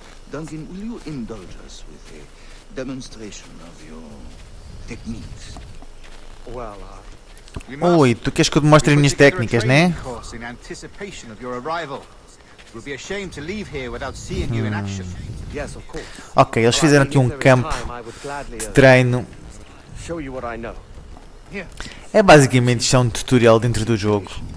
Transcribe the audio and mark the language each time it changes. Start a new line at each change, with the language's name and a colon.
English: Duncan, will you indulge us with a demonstration of your techniques?
Portuguese: Well, oi, tu queres que eu te mostre as minhas técnicas, né?
English: In anticipation of your arrival. It would be a shame to leave here without seeing you in action.
Portuguese: Ok, eles fizeram aqui um campo de treino
English: show you what I know.
Portuguese: É basicamente isto é um tutorial dentro do jogo.